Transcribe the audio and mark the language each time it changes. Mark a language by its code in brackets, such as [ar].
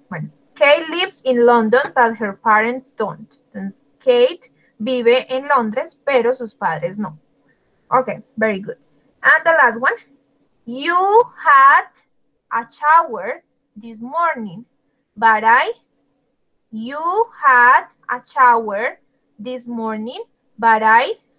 [es] Bueno, [en] Kate lives in London, but her parents don't. [es] Entonces, Kate vive en Londres, pero sus padres no. [en] Okay, very good. And the last one. You had a shower this morning, but I... You had a shower this morning, but I...